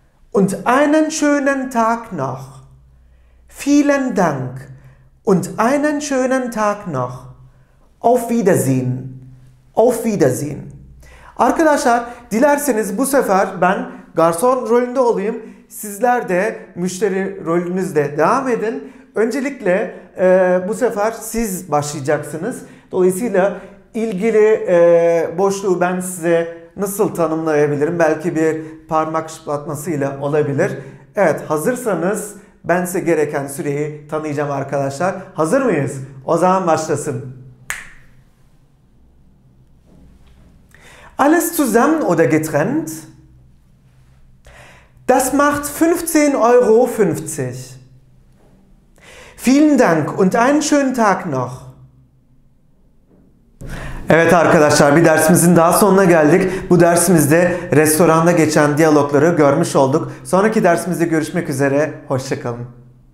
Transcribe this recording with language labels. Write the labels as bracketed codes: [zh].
[de] Und einen schönen Tag noch. Vielen Dank. Und einen schönen Tag noch. Auf Wiedersehen. Auf Wiedersehen. [tr] Arkadaşlar, dilerseniz bu sefer ben garson rolünde olayım. Sizler de müşteri rolünüzde devam edin. Öncelikle bu sefer siz başlayacaksınız. Dolayısıyla ilgili boşluğu ben size nasıl tanımlayabilirim? Belki bir parmak şıplatmasıyla olabilir. Evet, hazırsanız ben size gereken süreyi tanıyacağım arkadaşlar. Hazır mıyız? O zaman başlasın. [de] Alles zusammen oder getrennt? Das macht 15,50 Euro. Vielen Dank und einen schönen Tag noch. [tr] Evet arkadaşlar, bir dersimizin daha sonuna geldik. Bu dersimizde restoranda geçen diyalogları görmüş olduk. Sonraki dersimizde görüşmek üzere. Hoşça kalın.